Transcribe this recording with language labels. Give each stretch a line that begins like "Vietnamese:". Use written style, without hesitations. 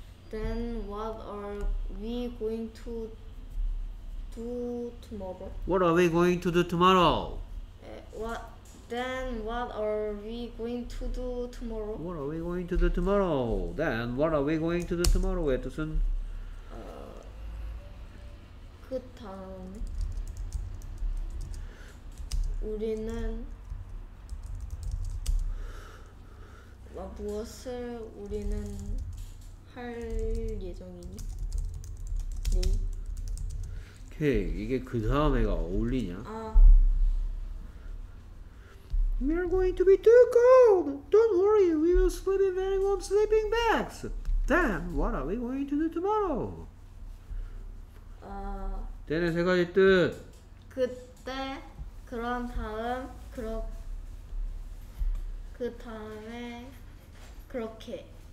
English: Then what are we going to do tomorrow? What are we going to do tomorrow? Then what are we going to do tomorrow? What are we going to do tomorrow? Then what are we going to do tomorrow?
Korean: 뜻은 그 다음에 우리는 무엇을 우리는 할 예정이니? 네. 오케이. 이게 그 다음에가 어울리냐? 아.
English: We are going to be too cold. Don't worry. We will sleep in very warm sleeping bags. Then what are we going to do tomorrow?
Korean: 되네. 세 가지 뜻. 그때 그런 다음 그럼 그 다음에 그렇게